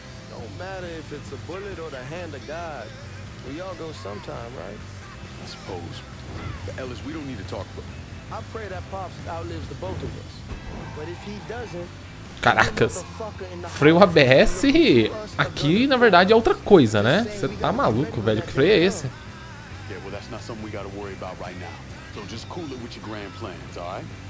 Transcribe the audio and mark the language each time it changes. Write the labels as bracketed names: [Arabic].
[English] Don't matter if it's a bullet or the hand of God. We all go sometime, right? I suppose. But Ellis, we don't need to talk about it. I pray that Pops outlives the both of us. But if he doesn't... [Portuguese] Caracas, freio ABS aqui, na verdade, é outra coisa, né? Você tá maluco, velho. Que freio é esse? [English] Yeah, well, that's not something we gotta worry about right now. So just cool it with your grand plans, all right?